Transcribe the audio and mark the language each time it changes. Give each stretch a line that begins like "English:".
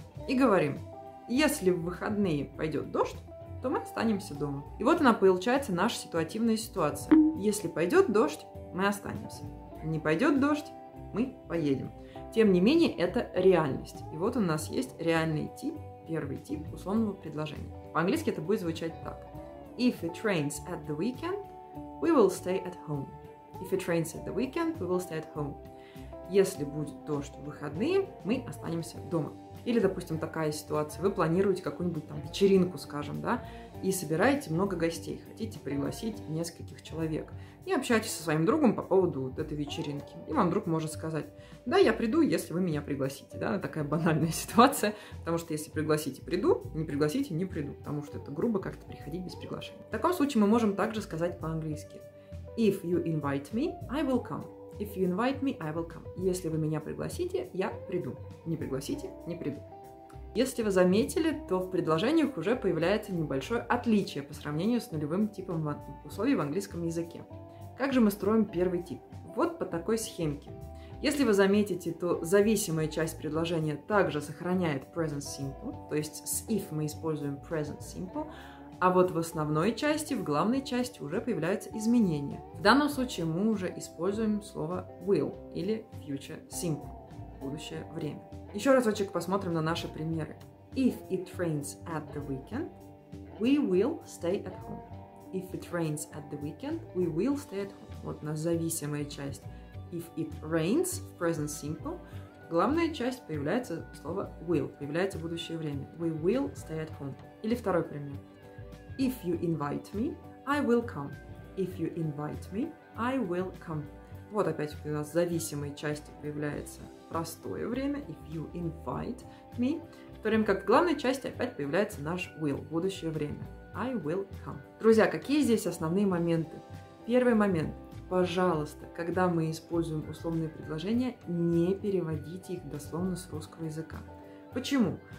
Russian: И говорим, если в выходные пойдет дождь, то мы останемся дома. И вот она получается, наша ситуативная ситуация. Если пойдет дождь, мы останемся. Не пойдет дождь, мы поедем. Тем не менее, это реальность. И вот у нас есть реальный тип, первый тип условного предложения. По-английски это будет звучать так.
English: If it rains at the weekend, we will stay at home. If it rains at the weekend, we will stay at home.
Russian: Если будет дождь в выходные, мы останемся дома. Или, допустим, такая ситуация. Вы планируете какую-нибудь там вечеринку, скажем, да, и собираете много гостей, хотите пригласить нескольких человек. И общаетесь со своим другом по поводу вот этой вечеринки. И вам друг может сказать, да, я приду, если вы меня пригласите. Да, такая банальная ситуация. Потому что если пригласите, приду, не пригласите, не приду. Потому что это грубо как-то приходить без приглашения. В таком случае мы можем также сказать по-английски.
English: If you invite me, I will come. If you invite me, I will come.
Russian: Если вы меня пригласите, я приду. Не пригласите, не приду. Если вы заметили, то в предложениях уже появляется небольшое отличие по сравнению с нулевым типом условий в английском языке. Как же мы строим первый тип? Вот по такой схемке. Если вы заметите, то зависимая часть предложения также сохраняет present simple, то есть с if мы используем present simple, а вот в основной части, в главной части уже появляются изменения. В данном случае мы уже используем слово will или future simple, будущее время. Еще разочек посмотрим на наши примеры.
English: If it rains at the weekend, we will stay at home. If it rains at the weekend, we will stay at home.
Russian: Вот у нас зависимая часть.
English: If it rains, present simple.
Russian: Главная часть появляется слово will, появляется будущее время.
English: We will stay at home.
Russian: Или второй пример.
English: If you invite me, I will come. If you invite me, I will come.
Russian: Вот опять у нас в зависимой части появляется простое время.
English: If you invite me.
Russian: В то время как в главной части опять появляется наш will, будущее время.
English: I will come.
Russian: Друзья, какие здесь основные моменты? Первый момент. Пожалуйста, когда мы используем условные предложения, не переводите их дословно с русского языка. Почему?